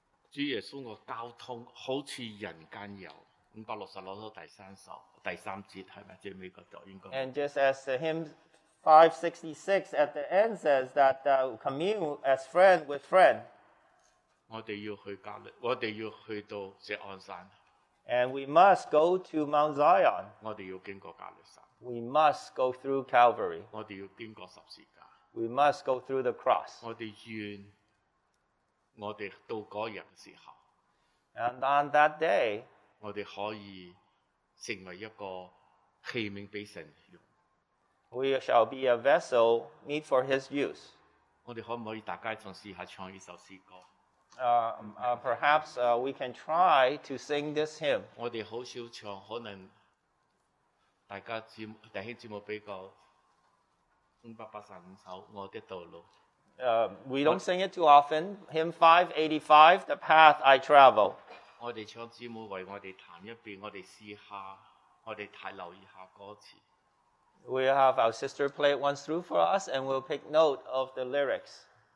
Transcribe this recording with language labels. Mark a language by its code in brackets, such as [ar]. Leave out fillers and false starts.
[yue] 主耶稣个交通好似人间有。五百六十六首第三首第三节系咪最尾嗰度应该 [en] ？And just as the hymn 566 at the end says that commune as friend with friend， [yue] 我哋要去加勒，我哋要去到锡安山。 [en] And we must go to Mount Zion。 [yue] 我哋要经过加勒山。 [en] We must go through Calvary。 [yue] 我哋要经过十字架。 [en] We must go through the cross。 [yue] 我哋愿我哋到嗰日嘅时候。 [en] And on that day。 [yue] 我哋可以成为一个器皿俾神用。 [en] We shall be a vessel meet for His use。 [yue] 我哋可唔可以大家尝试下唱呢首诗歌？ [en] Perhaps we can try to sing this hymn。 [yue] 我哋好少唱，可能大家弟兄姊妹比较585首《我的道路》。 [en] We don't sing it too often. Hymn 585, The Path I Travel。 [yue] 我哋唱姊妹为我哋弹一遍，我哋试下，我哋睇留意下歌词。 [en] We'll have our sister play it once through for us, and we'll pick note of the lyrics.